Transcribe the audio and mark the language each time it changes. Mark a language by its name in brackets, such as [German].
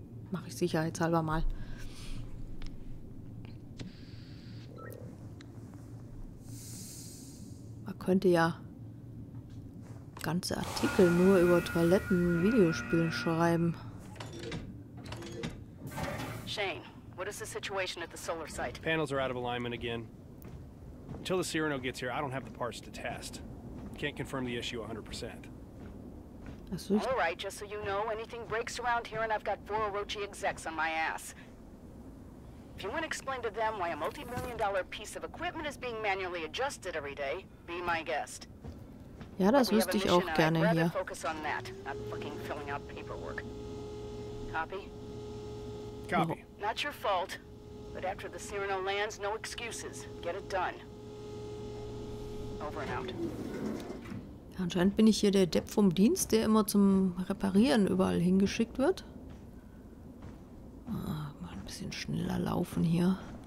[German] Mache ich sicherheitshalber mal. Man könnte ja ganze Artikel nur über Toiletten in Videospielen schreiben. [English] Shane, what is the situation at the solar site? Panels are out of alignment again. Until the Cyrano gets here, I don't have the parts to test. Can't confirm the issue 100%. All right, just so you know, anything breaks around here and I've got four Orochi execs on my ass. If you want to explain to them why a multi-million dollar piece of equipment is being manually adjusted every day, be my guest. [German] Ja, das wüsste ich auch gerne hier. [English] Focus on that, not fucking filling out paperwork. Copy? Copy. Not your fault, but after the Cyrano lands, no excuses. Get it done. Over and out. [German] Anscheinend bin ich hier der Depp vom Dienst, der immer zum Reparieren überall hingeschickt wird. Ah, mal ein bisschen schneller laufen hier.